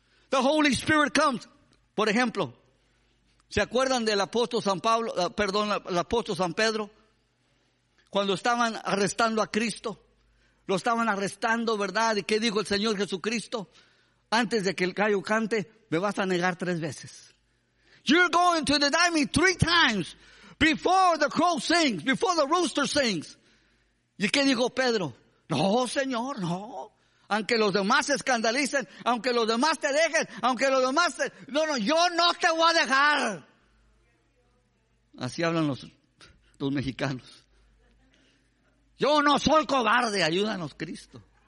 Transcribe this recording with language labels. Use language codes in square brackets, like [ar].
[en] The Holy Spirit comes. [es] Por ejemplo. ¿Se acuerdan del apóstol San Pablo, perdón, el apóstol San Pedro? Cuando estaban arrestando a Cristo, lo estaban arrestando, ¿verdad? ¿Y qué dijo el Señor Jesucristo? Antes de que el gallo cante, me vas a negar tres veces. [en] You're going to deny me three times before the crow sings, before the rooster sings. [es] ¿Y qué dijo Pedro? No, Señor, no. Aunque los demás se escandalicen, aunque los demás te dejen, aunque los demás te... No, no, yo no te voy a dejar. Así hablan los mexicanos. Yo no soy cobarde, ayúdanos Cristo.